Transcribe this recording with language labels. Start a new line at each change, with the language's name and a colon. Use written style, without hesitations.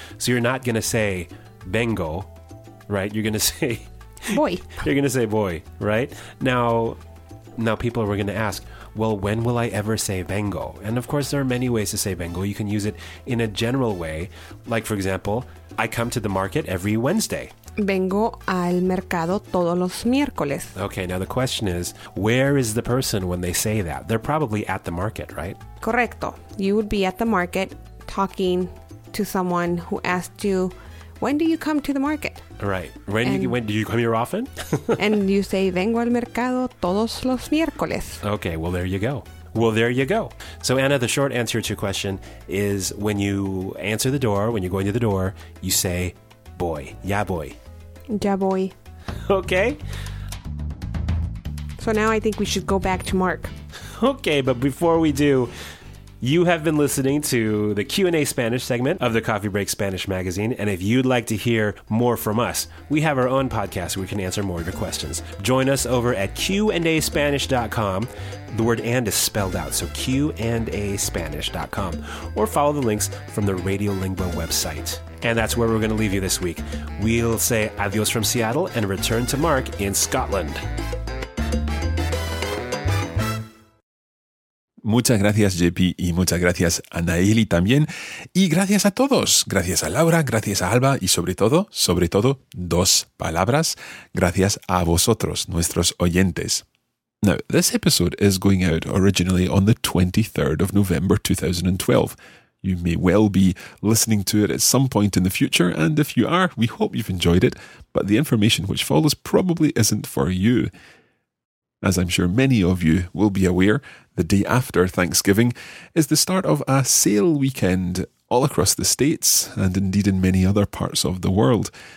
English: So you're not going to say vengo, right? You're going to say
Spanish: voy.
English: You're going to say voy, right? Now people are going to ask, well, when will I ever say vengo? And of course, there are many ways to say vengo. You can use it in a general way. Like, for example, I come to the market every Wednesday.
Spanish: Vengo al mercado todos los miércoles.
English: Okay, now the question is, where is the person when they say that? They're probably at the market, right?
Spanish: Correcto.
English: You would be at the market talking to someone who asked you, when do you come to the market? Right. Do you come here often? And you say,
Spanish: vengo al mercado todos los miércoles.
English: Okay, well, there you go. Well, there you go. So, Anna, the short answer to your question is when you answer the door, when you're going to the door, you say, boy.
Spanish: Ya voy. Ya voy.
English: Okay. So now I think we should go back to Mark. Okay, but before we do, you have been listening to the Q&A Spanish segment of the Coffee Break Spanish magazine. And if you'd like to hear more from us, we have our own podcast where we can answer more of your questions. Join us over at Q&ASpanish.com. The word and is spelled out, so Q&ASpanish.com. Or follow the links from the Radiolingua website. And that's where we're going to leave you this week. We'll say adios from Seattle and return to Mark in Scotland.
Spanish: Muchas gracias, JP, y muchas gracias a Nayeli también. Y gracias a todos. Gracias a Laura, gracias a Alba, y sobre todo, dos palabras. Gracias a vosotros, nuestros oyentes.
English: Now, this episode is going out originally on the 23rd of November 2012. You may well be listening to it at some point in the future, and if you are, we hope you've enjoyed it, but the information which follows probably isn't for you. As I'm sure many of you will be aware, the day after Thanksgiving is the start of a sale weekend all across the States and indeed in many other parts of the world.